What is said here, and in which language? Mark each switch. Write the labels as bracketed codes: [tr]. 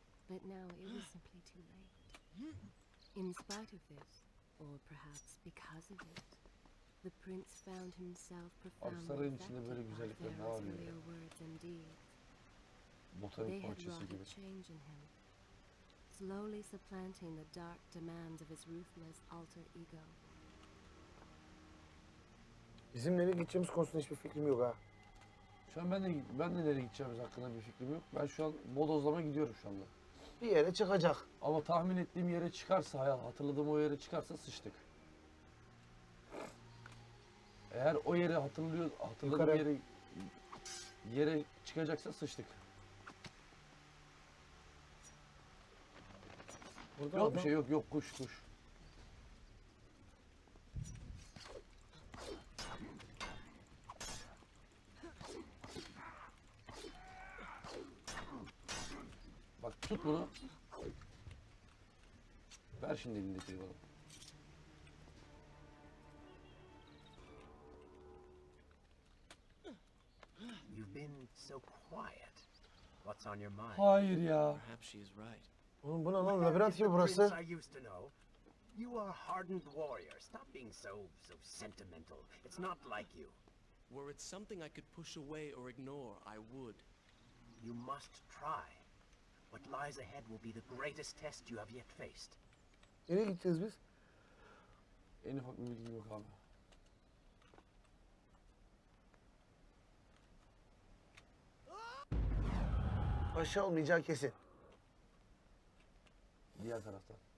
[en] But now it was simply too late. In spite of this, or perhaps because of it, the prince found himself profoundly affected by Pharaoh's earlier words and deeds. They had wrought a change in him, slowly supplanting the dark demands of his ruthless alter ego. [tr] Bizim nereye gideceğimiz konusunda hiçbir fikrim yok ha. Şu an ben de nereye gideceğimiz hakkında bir fikrim yok. Ben şu an bodozlama gidiyorum şu anda. Bir yere çıkacak. Ama tahmin ettiğim yere çıkarsa hayal, hatırladığım o yere çıkarsa sıçtık. Eğer o yeri hatırlıyor, hatırladığım yere çıkacaksa sıçtık. Burada yok, bir şey yok, kuş. Bak tut bunu. Ver şimdi elindeki bana. [en] You've been so quiet. What's on your mind? [tr] Hayır ya. [en] Perhaps she is right. [tr] Oğlum bu ne lan, labirent gibi burası. [en] I used to know. You are a hardened warrior. Stop being so sentimental. It's not like you. Were it something I could push away or ignore, I would. You must try. What lies ahead will be the greatest test you have yet faced. [tr] Nereye gideceğiz biz? En ufak bir bilgi yok abi. Başa olmayacağı kesin. Diğer taraftan.